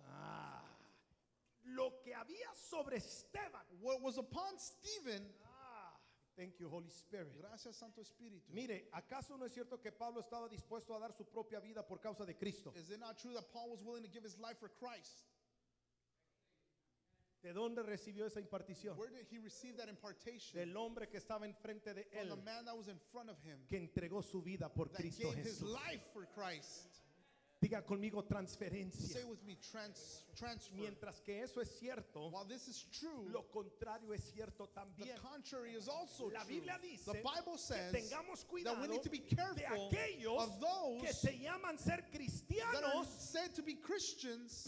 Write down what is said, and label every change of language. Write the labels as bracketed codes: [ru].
[es] Ah, lo que había sobre Esteban, [en] what was upon Stephen. Ah, thank you, Holy Spirit. [es] Gracias, Santo Espíritu. Mire, ¿acaso no es cierto que Pablo estaba dispuesto a dar su propia vida por causa de Cristo? [en] Is it not true that Paul was willing to give his life for Christ? [es] ¿De dónde recibió esa impartición? [en] Where did he receive that impartation? [es] Del hombre que estaba enfrente de él. [en] From the man that was in front of him. [es] Que entregó su vida por Cristo Jesús. [en] That gave his life for Christ. [es] Diga conmigo transferencia. [en] Say with me transfer. [es] Mientras que eso es cierto, [en] while this is true, [es] lo contrario es cierto también. [en] The contrary is also true. [es] La Biblia dice, [en] the Bible says, [es] que tengamos cuidado, [en] that we need to be careful, [es] de aquellos [en] of those [es] que se llaman ser cristianos, [en] that are said to be Christians,